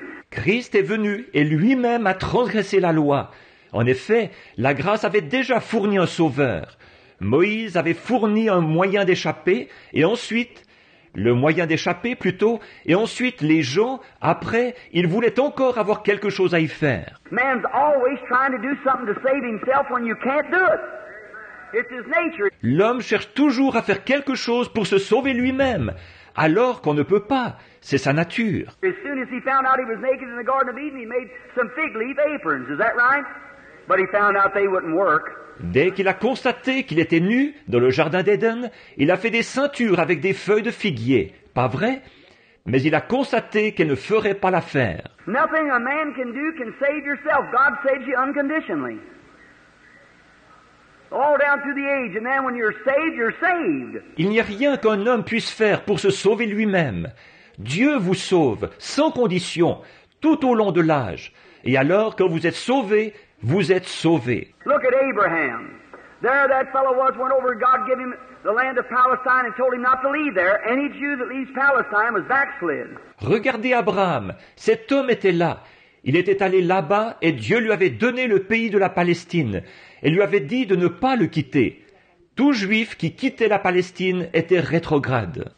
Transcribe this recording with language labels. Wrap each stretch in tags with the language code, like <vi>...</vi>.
<fr>Christ est venu et lui-même a transgressé la loi. En effet, la grâce avait déjà fourni un sauveur. Moïse avait fourni un moyen d'échapper et ensuite, le moyen d'échapper plutôt, et ensuite les gens, après, ils voulaient encore avoir quelque chose à y faire.</fr> <en>Man's always trying to do something to save himself when you can't do it. It's his nature.</en> <fr>L'homme cherche toujours à faire quelque chose pour se sauver lui-même, alors qu'on ne peut pas. C'est sa nature.</fr> <en>As soon as he found out he was naked in the Garden of Eden, he made some fig leaf aprons. Is that right? But he found out they wouldn't work.</en> <fr>Dès qu'il a constaté qu'il était nu dans le jardin d'Éden, il a fait des ceintures avec des feuilles de figuier. Pas vrai? Mais il a constaté qu'elle ne ferait pas l'affaire.</fr> <en>Nothing a man can do can save yourself. God saves you unconditionally. All down through the age, and then when you're saved, you're saved.</en> <fr>Il n'y a rien qu'un homme puisse faire pour se sauver lui-même. Dieu vous sauve sans condition tout au long de l'âge. Et alors, quand vous êtes sauvé, vous êtes sauvé.</fr> <en>Look at Abraham. There, that fellow was went over. God gave him the land of Palestine and told him not to leave there. Any Jew that leaves Palestine was backslid.</en> <fr>Regardez Abraham. Cet homme était là. Il était allé là-bas et Dieu lui avait donné le pays de la Palestine et lui avait dit de ne pas le quitter. Tout juif qui quittait la Palestine était rétrograde.</fr>